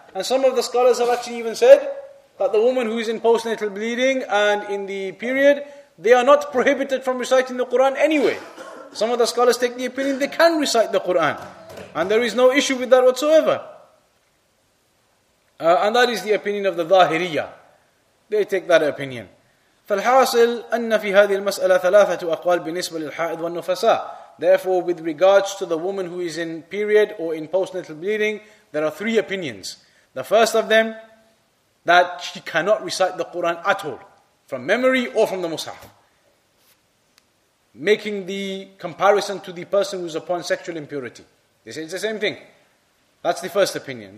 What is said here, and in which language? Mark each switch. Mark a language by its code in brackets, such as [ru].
[en] And some of the scholars have actually even said that the woman who is in postnatal bleeding and in the period, they are not prohibited from reciting the Quran anyway. Some of the scholars take the opinion they can recite the Quran. And there is no issue with that whatsoever. And that is the opinion of the Zahiriyya. They take that opinion. [ar] فالحاصل أن في هذه المسألة ثلاثة أقوال بالنسبة للحائض والنفساء. [en] Therefore, with regards to the woman who is in period or in postnatal bleeding, there are three opinions. The first of them, that she cannot recite the Quran at all, from memory or from the mushaf. Making the comparison to the person who is upon sexual impurity. They say it's the same thing. That's the first opinion.